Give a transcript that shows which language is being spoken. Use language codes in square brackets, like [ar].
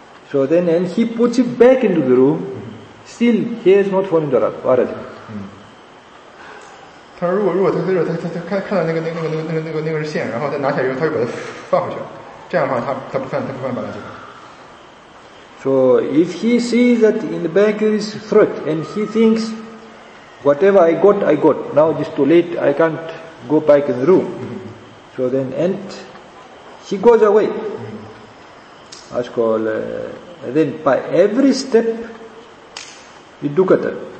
[en] So then, and he puts it back into the room, still he has not fallen into the paradigm. [zh] 他说如果他看到那个是线，然后再拿起来以后，他又把它放回去了，这样的话他不犯paradigm。 [en] So if he sees that in the back there is threat and he thinks, whatever I got, now it is too late, I can't go back in the room. So then, and he goes away. That's called, then by every step, is dukkata.